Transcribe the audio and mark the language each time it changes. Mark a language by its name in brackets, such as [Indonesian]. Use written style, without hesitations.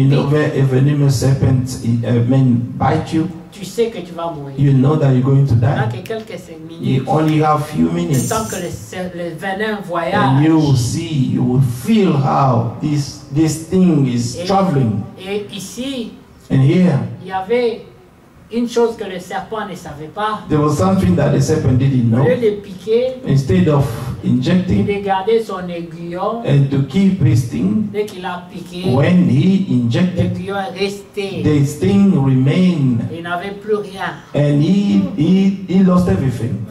[English] bite. You know when a venomous serpent, amen, bite you. [French] Tu sais que tu vas mourir. [English] You know that you're going to die. [French] Que quelques minutes. [English] You only have few minutes. [French] Tant que le venin voyage. [English] And you will see, you will feel how this thing is traveling. [French] Et ici. [English] And here. [French] Il y avait une chose que le serpent ne savait pas. [English] There was something that the serpent didn't know. [French] Au lieu de piquer. [English] Instead of injecting. [French] Il a gardé son aiguillon. [English] And to keep his sting. [French] Dès qu'il a piqué. [English] When he injected. [French] L'aiguillon est resté. [English] The sting remained. [French] Il n'avait plus rien. [English] And he lost everything.